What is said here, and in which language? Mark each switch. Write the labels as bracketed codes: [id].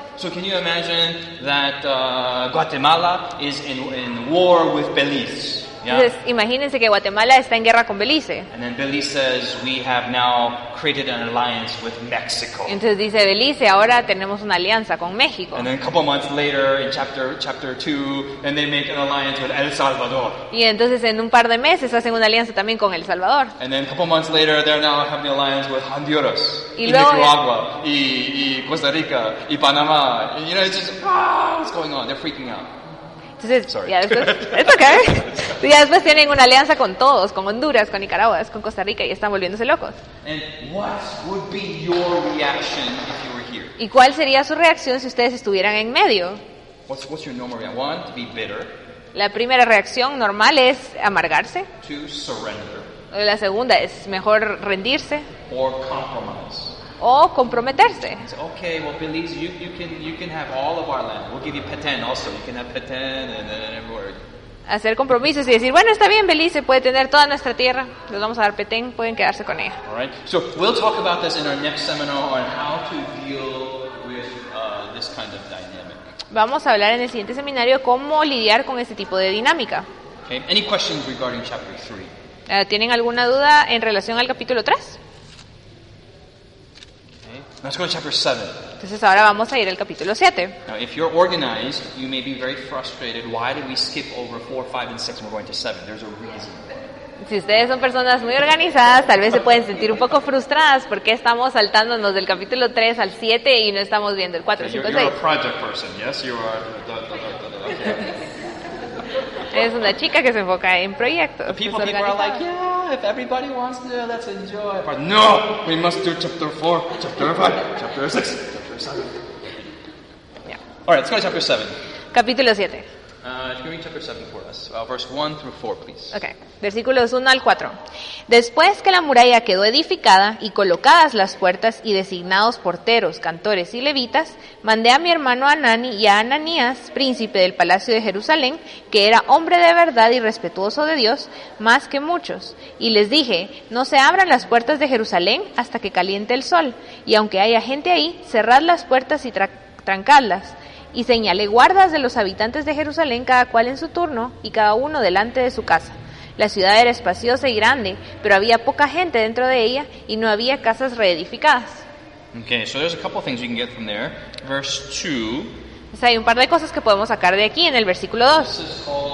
[en] So can you imagine that Guatemala is in war with Belize? Yeah? [es] Entonces, imagínense que Guatemala está en guerra con Belice. [en] And then Belize says, we have now created an alliance with Mexico. [es] Entonces dice Belice, ahora tenemos una alianza con México. [en] And then a couple months later, in chapter 2, and they make an alliance with El Salvador. [es] Y entonces en un par de meses hacen una alianza también con El Salvador. [en] And then a couple months later, they're now having an alliance with Honduras, Nicaragua, y Costa Rica, y Panamá. And, you know, it's just, what's going on? They're freaking out. [es] Entonces, ya después, [en] it's okay. [es] Ya después tienen una alianza con todos, con Honduras, con Nicaragua, con Costa Rica, y están volviéndose locos. [en] And what would be your reaction if you were here? [es] ¿Y cuál sería su reacción si ustedes estuvieran en medio? [en] What's your normal reaction? One, to be bitter. [es] La primera reacción normal es amargarse. [en] Two, surrender. [es] La segunda es mejor rendirse. [en] Or compromise. [es] O comprometerse. [en] Okay, well, Belize, you can have all of our land. We'll give you Petén also. You can have Petén and everywhere. [es] Hacer compromisos y decir, bueno, está bien, Belice puede tener toda nuestra tierra. Les vamos a dar Petén, pueden quedarse con ella. [en] All right. So we'll talk about this in our next seminar on how to deal with this kind of dynamic. [es] Vamos a hablar en el siguiente seminario cómo lidiar con este tipo de dinámica. [en] Okay. Any questions regarding chapter 3? [es] ¿Tienen alguna duda en relación al capítulo 3? [en] Let's go to chapter 7. [es] Entonces ahora vamos a ir al capítulo 7. [en] Now, if you're organized, you may be very frustrated. Why did we skip over 4, 5, and 6 and we're going to 7? There's a reason. [es] Si ustedes son personas muy organizadas, tal vez se pueden sentir un poco frustradas porque estamos saltándonos del capítulo 3 al 7 y no estamos viendo el 4, 5, 6. [en] You're a project person, yes? You are. Okay. [es] Es una chica que se enfoca en proyectos. [en] People are like, yeah. If everybody wants to, let's enjoy. But no, we must do chapter 4, chapter 5, chapter 6, chapter 7. Yeah. All right, let's go to chapter 7. [es] Capítulo 7. [en] If you read chapter 7 for us, verse 1 through 4, please. [es] Okay. Versículos 1 al 4. Después que la muralla quedó edificada y colocadas las puertas y designados porteros, cantores y levitas, mandé a mi hermano Anani y a Ananías, príncipe del palacio de Jerusalén, que era hombre de verdad y respetuoso de Dios, más que muchos, y les dije, no se abran las puertas de Jerusalén hasta que caliente el sol, y aunque haya gente ahí, cerrad las puertas y trancadlas. Y señalé guardas de los habitantes de Jerusalén, cada cual en su turno y cada uno delante de su casa. La ciudad era espaciosa y grande, pero había poca gente dentro de ella y no había casas reedificadas. [en] Okay, so there's a couple things you can get from there. Verse 2. [es] O sea, hay un par de cosas que podemos sacar de aquí en el versículo 2.